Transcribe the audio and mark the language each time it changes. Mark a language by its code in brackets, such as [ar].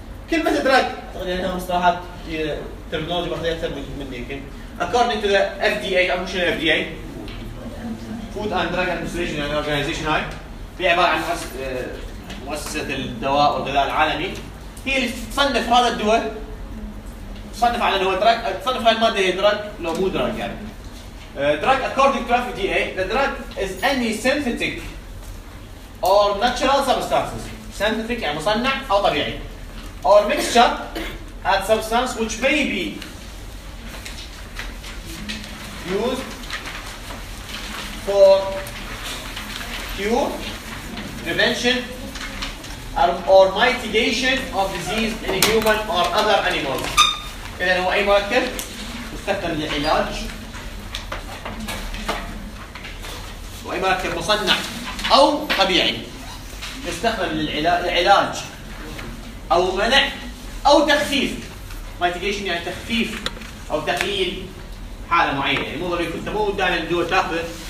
[ar] كلمة دراج يعني مصطلحات ترمينولوجي بحثية أكثر مني، يمكن [en] according to the FDA [ar] أو شنو FDA Food and Drug Administration يعني organization، هاي في عبارة عن مؤسسة الدواء والغذاء العالمي، هي اللي تصنف هذا الدواء، تصنف على هو دراج، تصنف هاي المادة هي دراج لو مو دراج. [en] يعني drug according to FDA the drug is any synthetic or natural substances synthetic [ar] يعني مصنع أو طبيعي [en] or mixture at substance which may be used for cure prevention or mitigation of disease in human or other animals. [ar] إذا هو أي مركب مستخدم للعلاج، وإما كان مصنع أو طبيعي يستخدم للعلاج أو منع أو تخفيف، mitigation يعني تخفيف أو تقليل حالة معينة، يعني مو ضروري كنت مو دائما الدواء تاخذه